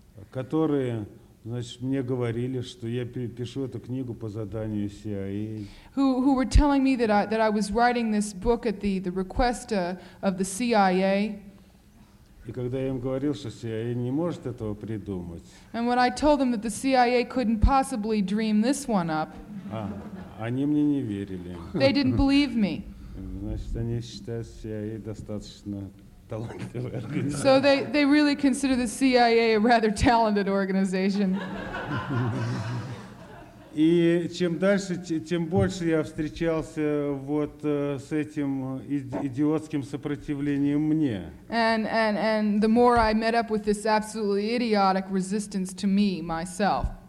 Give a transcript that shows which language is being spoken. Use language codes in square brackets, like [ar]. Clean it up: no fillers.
[ru] Которые, значит, мне говорили, что я пишу эту книгу по заданию CIA. [en] Who were telling me that I was writing this book at the request of the CIA. [ru] И когда я им говорил, что CIA не может этого придумать. [en] And when I told them that the CIA couldn't possibly dream this one up. [ru] Они мне не верили. [en] They didn't believe me. [ru] Значит, они считают CIA достаточно. [en] So they really consider the CIA a rather talented organization. [ru] И чем дальше, тем больше я встречался вот с этим идиотским сопротивлением мне. [en] And the more I met up with this absolutely idiotic resistance to me, myself.